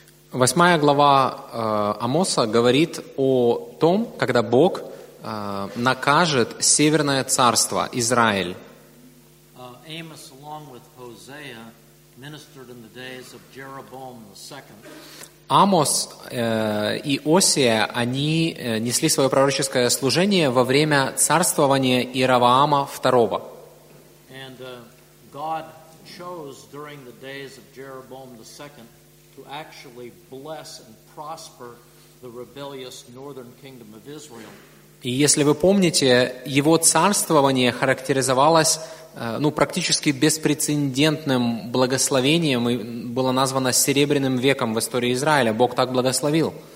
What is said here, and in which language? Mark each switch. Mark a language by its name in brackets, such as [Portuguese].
[Russian] Восьмая глава Амоса говорит о том, когда Бог накажет северное царство Израиль. [English] Amos, along with Hosea, ministered in the days of Jeroboam the second. [Russian] Амос и Осия, они несли свое пророческое служение во время царствования Иеровоама II. [English] And God chose during the days of Jeroboam the second to actually bless and prosper the rebellious northern kingdom of Israel. [Russian] И если вы помните, его царствование характеризовалось ну, практически беспрецедентным благословением и было названо «серебряным веком» в истории Израиля. Бог так благословил.